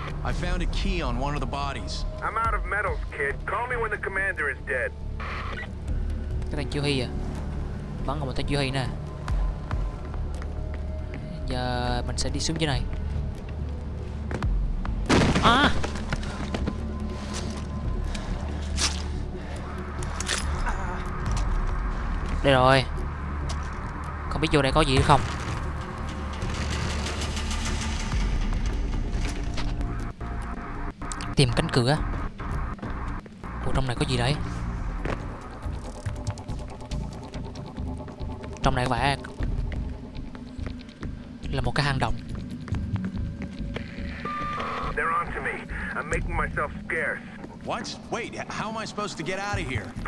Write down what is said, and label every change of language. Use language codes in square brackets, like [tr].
[en] I found a key on one of the bodies. I'm out of medals, kid. Call me when the commander is dead. [vi] Cái thằng chiêu hy à? Bắn vào một thằng chiêu hy nè. Giờ mình sẽ đi xuống dưới này. À! Đây rồi. Không biết vô đây có gì hay không. Tìm cánh cửa. Ủa, trong này có gì đấy? Trong này có vẻ là một cái hang động. [en] They're on to me. I'm making myself scarce. What? Wait, how am I supposed to get out of here?